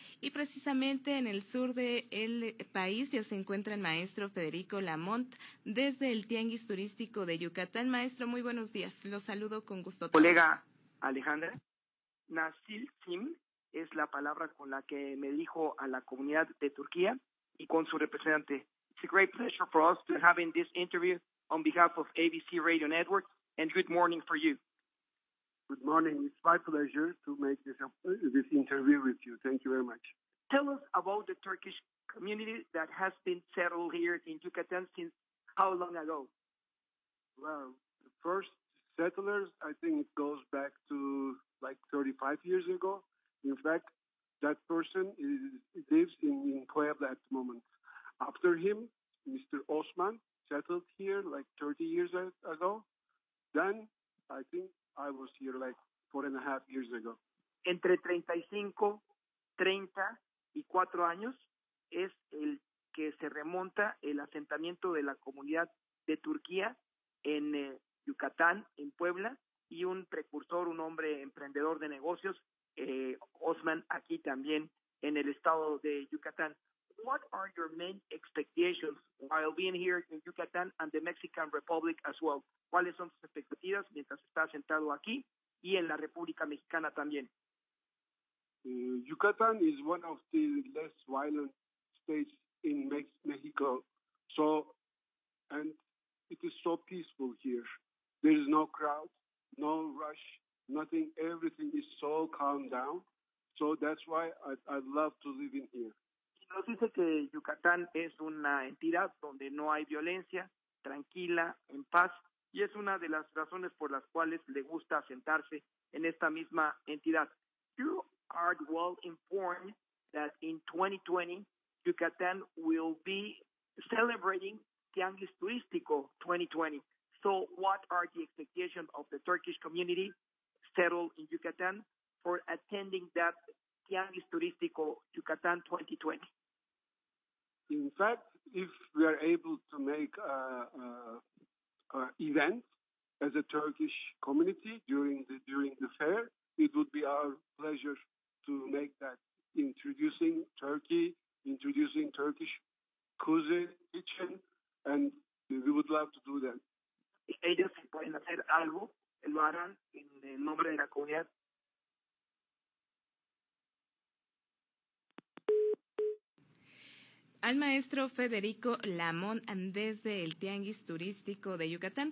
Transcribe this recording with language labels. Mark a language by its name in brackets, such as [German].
[Spanish] Y precisamente en el sur del país ya se encuentra el maestro Federico Lamont desde el Tianguis Turístico de Yucatán. Maestro, muy buenos días. Los saludo con gusto. Colega Alejandra, Nasilcim es la palabra con la que me dijo a la comunidad de Turquía y con su representante. [English] a great pleasure for us to have in this interview on behalf of ABC Radio Network, and good morning for you. Good morning. It's my pleasure to make this interview with you. Thank you very much. Tell us about the Turkish community that has been settled here in Yucatan since how long ago? Well, the first settlers, I think it goes back to like 35 years ago. In fact, that person lives in Puebla at the moment. After him, Mr. Osman settled here like 30 years ago. Then I think I was here like 4.5 years ago. [Spanish] Entre 35, 30 y 4 años es el que se remonta el asentamiento de la comunidad de Turquía en Yucatán, en Puebla, y un precursor, un hombre emprendedor de negocios, Osman, aquí también en el estado de Yucatán. [English] What are your main expectations while being here in Yucatán and the Mexican Republic as well? [Spanish] ¿Cuáles son tus expectativas mientras estás sentado aquí y en la República Mexicana también? [English] Yucatán is one of the less violent states in Mexico. So, and it is so peaceful here. There is no crowd, no rush, nothing. Everything is so calmed down. So that's why I love to live in here. [Spanish] Nos dice que Yucatán es una entidad donde no hay violencia, tranquila, en paz, y es una de las razones por las cuales le gusta asentarse en esta misma entidad. [English] You are well informed that in 2020, Yucatán will be celebrating Tianguis Turístico 2020. So what are the expectations of the Turkish community settled in Yucatán for attending that Tianguis Turístico Yucatán 2020? In fact, if we are able to make an event as a Turkish community during the fair, it would be our pleasure to make that, introducing Turkish cuisine, kitchen, and we would love to do that. [Spanish] Ellos, si pueden hacer algo, lo harán en el nombre de la comunidad. Al maestro Federico Lamont, desde el Tianguis Turístico de Yucatán.